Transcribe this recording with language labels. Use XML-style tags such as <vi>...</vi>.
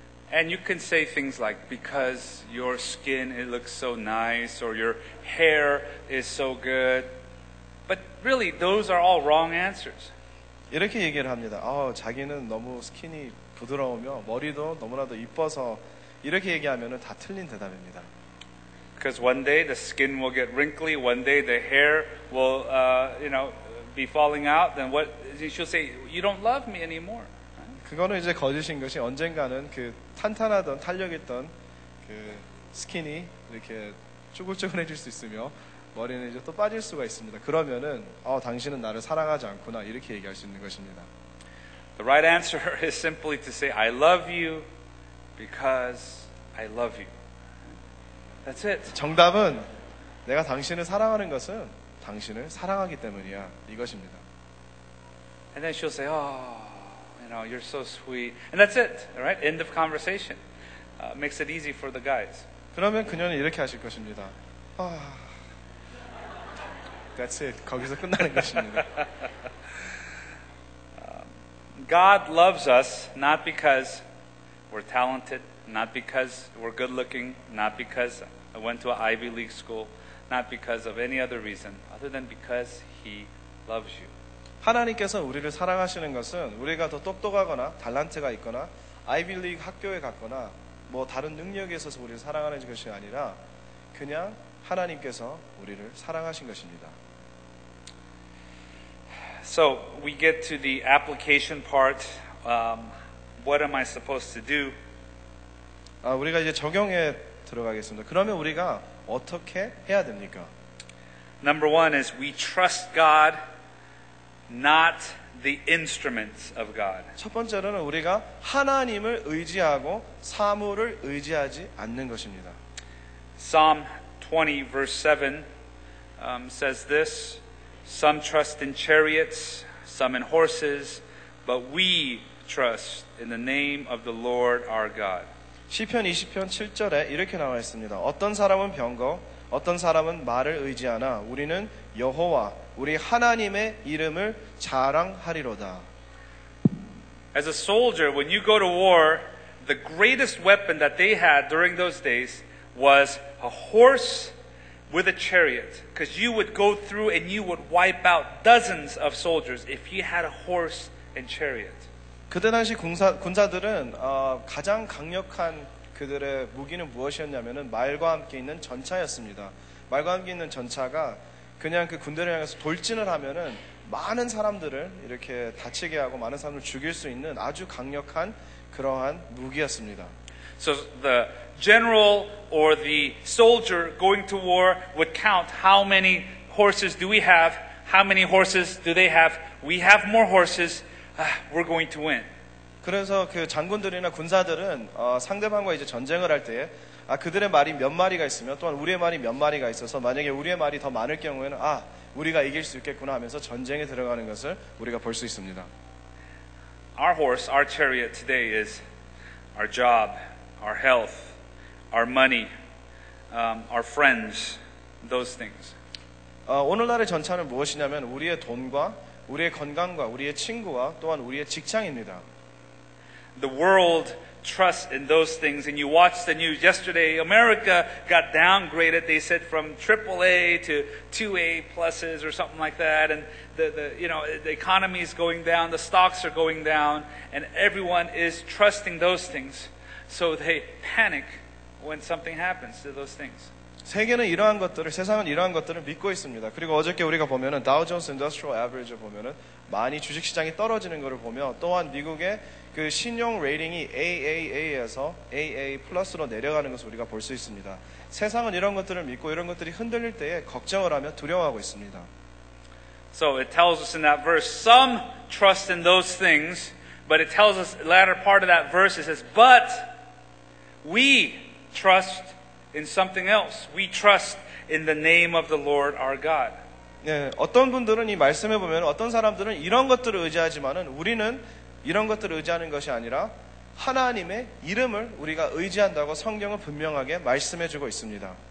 <en>And you can say things like, because your skin, it looks so nice, or your hair is so good. But really, those are all wrong answers.</en> <ko>이렇게 얘기를 합니다. 자기는 너무 스킨이 부드러우며, 머리도 너무나도 이뻐서, 이렇게 얘기하면은 다 틀린 대답입니다.</ko> <en>Because one day the skin will get wrinkly, one day the hair will, be falling out, then what, she'll say, you don't love me anymore.</en> <ko>그거는 이제 거짓인 것이 언젠가는 그 탄탄하던 탄력했던 그 스킨이 이렇게 쭈글쭈글해질 수 있으며 머리는 이제 또 빠질 수가 있습니다. 그러면은 당신은 나를 사랑하지 않구나 이렇게 얘기할 수 있는 것입니다.</ko> <en>The right answer is simply to say I love you because I love you. That's it.</en> <ko>정답은 내가 당신을 사랑하는 것은 당신을 사랑하기 때문이야. 이것입니다.</ko> <en>And then she'll say, "Oh, you know, you're so sweet." And that's it. All right? End of conversation. Makes it easy for the guys.</en> <ko>그러면 그녀는 이렇게 하실 것입니다.</ko> <en>That's it.</en> <ko>거기서 끝나는 것입니다.</ko> <en>God loves us not because we're talented, not because we're good looking, not because I went to an Ivy League school, not because of any other reason, other than because He loves you.</en> <ko>하나님께서 우리를 사랑하시는 것은 우리가 더 똑똑하거나 탤런트가 있거나 Ivy League 학교에 갔거나 뭐 다른 능력에 있어서 우리를 사랑하는 것이 아니라 그냥 하나님께서 우리를 사랑하신 것입니다.</ko> <en>So we get to the application part. What am I supposed to do?</en> <ko>우리가 이제 적용에 들어가겠습니다. 그러면 우리가 어떻게 해야 됩니까?</ko> <en>Number one is we trust God, not the instruments of God.</en> <ko>첫 번째로는 우리가 하나님을 의지하고 사물을 의지하지 않는 것입니다.</ko> <en>Psalm 20 verse 7 says this, Some trust in chariots, some in horses, but we trust in the name of the Lord our God.</en> <ko>시편 20편 7절에 이렇게 나와 있습니다. 어떤 사람은 병거, 어떤 사람은 말을 의지하나 우리는 여호와 우리 하나님의 이름을 자랑하리로다.</ko> <en>As a soldier, when you go to war, the greatest weapon that they had during those days was a horse with a chariot, because you would go through and you would wipe out dozens of soldiers if you had a horse and chariot.</en> <ko>그때 당시 군사들은 가장 강력한 그들의 무기는 무엇이었냐면은 말과 함께 있는 전차였습니다. 말과 함께 있는 전차가 그냥 그 군대를 향해서 돌진을 하면은 많은 사람들을 이렇게 다치게 하고 많은 사람을 죽일 수 있는 아주 강력한 그러한 무기였습니다.</ko> <en>So the general or the soldier going to war would count how many horses do we have? How many horses do they have? We have more horses. We're going to win.</en> <ko>그래서 그 장군들이나 군사들은 상대방과 이제 전쟁을 할 때에 그들의 말이 몇 마리가 있으면 또한 우리의 말이 몇 마리가 있어서 만약에 우리의 말이 더 많을 경우에는 우리가 이길 수 있겠구나 하면서 전쟁에 들어가는 것을 우리가 볼 수 있습니다.</ko> <en>Our horse, our chariot today is our job, our health, our money, our friends, those things.</en> <ko>오늘날의 전차는 무엇이냐면 우리의 돈과 우리의 건강과 우리의 친구와 또한 우리의 직장입니다.</ko> <en>The world trusts in those things, and you watch the news yesterday. America got downgraded. They said from AAA to 2A pluses or something like that. And the economy is going down. The stocks are going down, and everyone is trusting those things. So they panic when something happens to those things.</en> <ko>세계는 이러한 것들을 세상은 이러한 것들을 믿고 있습니다. 그리고 어저께 우리가 보면은 Dow Jones Industrial Average를 보면은 많이 주식 시장이 떨어지는 것을 보며 또한 미국의 그 신용 레이팅이 AAA에서 AA 플러스로 내려가는 것을 우리가 볼 수 있습니다. 세상은 이런 것들을 믿고 이런 것들이 흔들릴 때에 걱정을 하며 두려워하고 있습니다.</ko> <en>So it tells us in that verse some trust in those things, but it tells us latter part of that verse it says but we trust in something else. We trust in the name of the Lord our God.</en> <ko>네, 어떤 분들은 이 말씀에 보면 어떤 사람들은 이런 것들을 의지하지만은 우리는 이런 것들을 의지하는 것이 아니라 하나님의 이름을 우리가 의지한다고 성경은 분명하게 말씀해주고 있습니다.</ko>